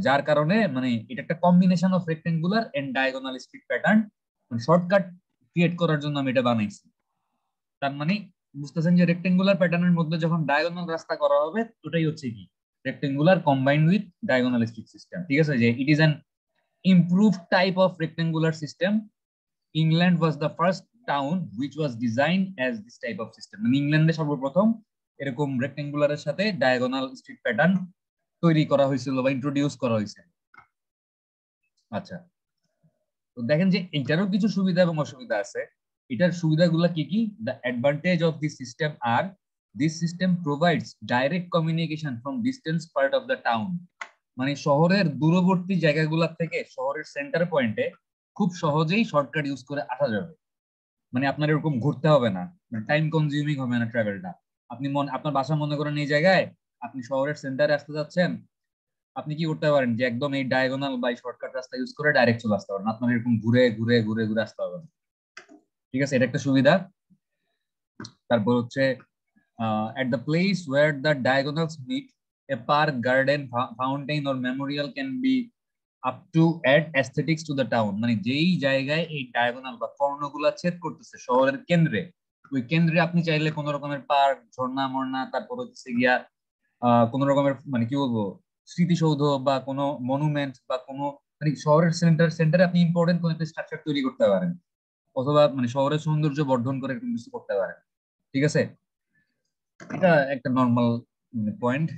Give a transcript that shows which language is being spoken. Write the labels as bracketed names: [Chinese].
[Bangla] যার কারণে মানে এটা একটা [English] combination of rectangular and diagonal street pattern, [Bangla] মানে শর্টকাট ক্রিয়েট করার জন্য আমি এটা বানাইছি। তার মানে বুঝতেছেন যে রেক্টেঙ্গুলার প্যাটার্নের মধ্যে যখন ডায়াগোনাল রাস্তা করা হবে ওটাই হচ্ছে কি rectangular combined with diagonal street system, ঠিক আছে? যে [English] It is an improved type of rectangular system. England was the first town which was designed as this type of system. [Bangla] মানে ইংল্যান্ডে সর্বপ্রথম এরকম rectangular এর সাথে diagonal street pattern তৈরি করা হয়েছিল বা introduce করা হয়েছে। আচ্ছা, তো দেখেন যে এটারও কিছু সুবিধা এবং অসুবিধা আছে। এটার সুবিধাগুলো কি কি? [English] The advantage of this system are, this system provides direct communication from distant part of the town. [Bangla] মানে শহরের দূরবর্তী জায়গাগুলো থেকে শহরের সেন্টার পয়েন্টে খুব সহজেই শর্টকাট ইউজ করে আসা যাবে, মানে আপনার এরকম ঘুরতে হবে না, মানে টাইম কনজিউমিং হবে না ট্রাভেলটা। আপনি মন আপনার বাসা মনে করেন এই জায়গায়, আপনি শহরের সেন্টারে আসতে যাচ্ছেন, আপনি কি করতে পারেন যে একদম এই ডায়াগোনাল বা শর্টকাট রাস্তা ইউজ করে ডাইরেক্ট চলে আসতে পারেন, আপনার এরকম ঘুরে ঘুরে ঘুরে ঘুরে আসতে হবে, ঠিক আছে? এটা একটা সুবিধা। তারপর হচ্ছে [English] At the place where the diagonals meet, a park, garden, fountain or memorial can be up to add aesthetics to the town. [Bangla] মানে যেই জায়গায় এই ডায়াগোনাল বা কর্ণগুলো ছেদ করতেছে শহরের কেন্দ্রে, ওই কেন্দ্রে আপনি চাইলে কোন রকমের পার্ক, ঝর্ণা মর্ণা, তারপর হচ্ছে গিয়া কোন রকমের মানে কি বলবো স্মৃতিসৌধ বা কোনো মনুমেন্ট বা কোনো মানে শহরের সেন্টারে আপনি ইম্পর্টেন্ট কোনো একটা স্ট্রাকচার তৈরি করতে পারেন, অথবা মানে শহরের সৌন্দর্য বর্ধন করে কিছু করতে পারেন, ঠিক আছে? এটা একটা নর্মাল পয়েন্ট।